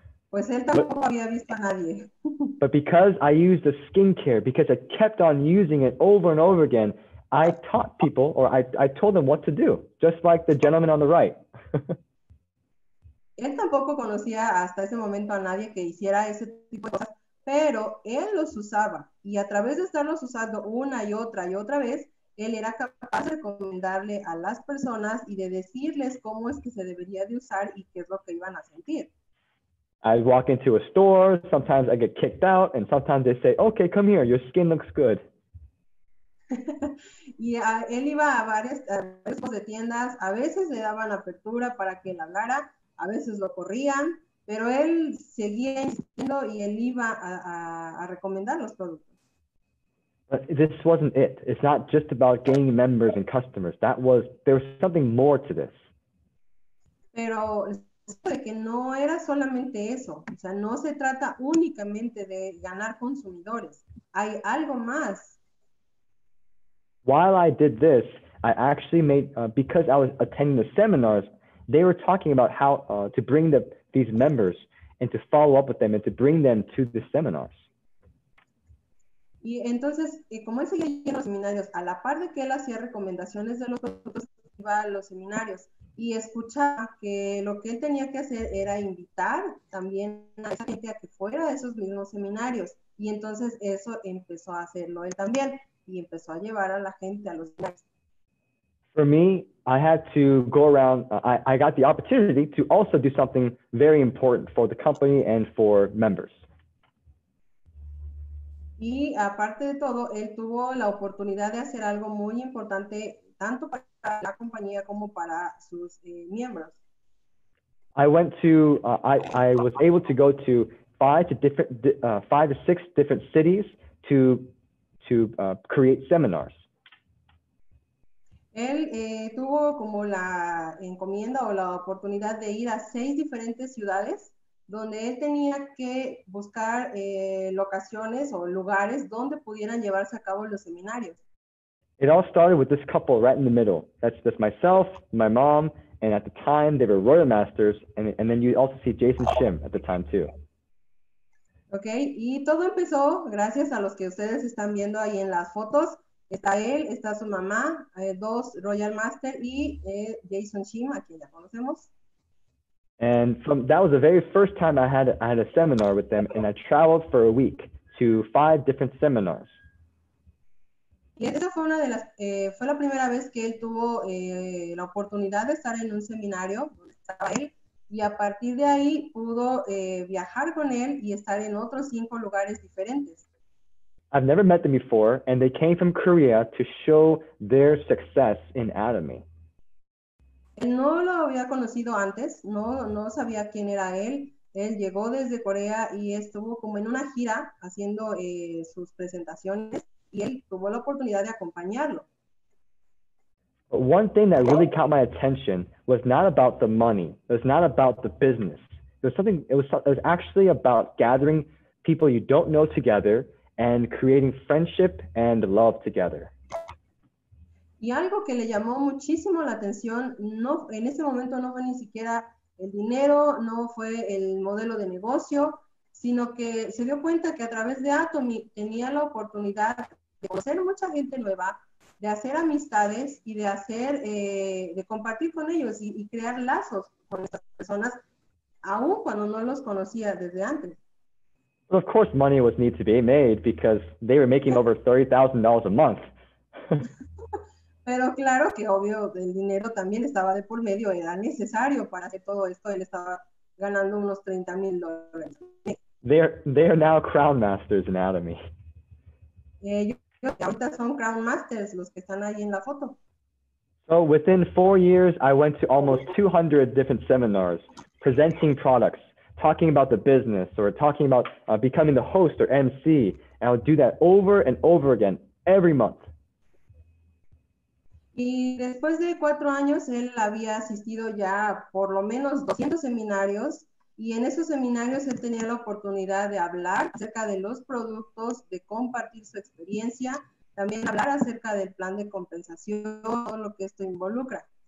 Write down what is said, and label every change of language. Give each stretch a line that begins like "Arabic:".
Spanish: Pues él tampoco había visto a nadie.
English: But because I used the skincare, because I kept on using it over and over again, I taught people, or I told them what to do, just like the gentleman on the right.
Spanish: Él tampoco conocía hasta ese momento a nadie que hiciera ese tipo de cosas, pero él los usaba. Y a través de estarlos usando una y otra vez, él era capaz de recomendarle a las personas y de decirles cómo es que se debería de usar y qué es lo que iban a sentir.
English: I walk into a store, sometimes I get kicked out, and sometimes they say, okay, come here, your skin looks good.
Spanish: Y él iba a varios tipos de tiendas, a veces le daban apertura para que él hablara, a veces lo corrían, pero él seguía insistiendo y él iba a recomendar los productos.
English: But this wasn't it. It's not just about gaining members and customers. There was something more to this.
Spanish: Pero de que no era solamente eso, o sea, no se trata únicamente de ganar consumidores, hay algo más.
English: While I did this, I actually made, because I was attending the seminars, they were talking about how to bring these members and to follow up with them and to bring them to the seminars.
Spanish: Y entonces, como él seguía en los seminarios, a la par de que él hacía recomendaciones de los productos, iba a los seminarios. Y escuchaba que lo que él tenía que hacer era invitar también a esa gente a que fuera a esos mismos seminarios. Y entonces eso empezó a hacerlo él también. Y empezó a llevar a la gente a los seminarios.
English: For me, I had to go around. I got the opportunity to also do something very important for the company and for members.
Spanish: Y aparte de todo, él tuvo la oportunidad de hacer algo muy importante tanto para la compañía como para sus miembros.
English: I went to I was able to go to five to six different cities to create seminars.
Spanish: Él tuvo como la encomienda o la oportunidad de ir a seis diferentes ciudades donde él tenía que buscar locaciones o lugares donde pudieran llevarse a cabo los seminarios.
English: It all started with this couple right in the middle. That's just myself, my mom, and at the time they were Royal Masters, and then you also see Jason Shim at the time too.
Spanish: Okay, y todo empezó gracias a los que ustedes están viendo ahí en las fotos. Está él, está su mamá, dos Royal Masters, y Jason Shim, a quien ya conocemos.
English: And from that was the very first time I had a seminar with them, and I traveled for a week to five different seminars.
Spanish: Y esa fue una de las, fue la primera vez que él tuvo la oportunidad de estar en un seminario donde estaba él, y a partir de ahí pudo viajar con él y estar en otros cinco lugares diferentes.
English: I've never met them before, and they came from Korea to show their success in Atomy.
Spanish: Él no lo había conocido antes, no sabía quién era él. Él llegó desde Corea y estuvo como en una gira haciendo sus presentaciones. Y él tuvo la oportunidad de acompañarlo.
English: But one thing that really caught my attention was not about the money. It was not about the business. It was actually about gathering people you don't know together and creating friendship and love together.
Spanish: Y algo que le llamó muchísimo la atención, no, en ese momento no fue ni siquiera el dinero, no fue el modelo de negocio, sino que se dio cuenta que a través de Atomy tenía la oportunidad de conocer mucha gente nueva, de hacer amistades y de hacer, de compartir con ellos y crear lazos con estas personas, aun cuando no los conocía desde antes.
English: But of course, money was need to be made because they were making over $30,000 a month.
Spanish: Pero claro que obvio, el dinero también estaba de por medio, era necesario para hacer todo esto, él estaba ganando unos $30,000.
English: They are now crown masters in anatomy.
Spanish: Ahorita son crown masters los que están ahí en la foto.
English: So within 4 years, I went to almost 200 different seminars presenting products, talking about the business, or talking about becoming the host or MC, and I would do that over and over again every month.
Spanish: Y después de 4 años, él había asistido ya por lo menos 200 seminarios, y en esos seminarios él tenía la oportunidad de hablar acerca de los productos, de compartir su experiencia, también hablar acerca del plan de compensación, todo lo que esto involucra.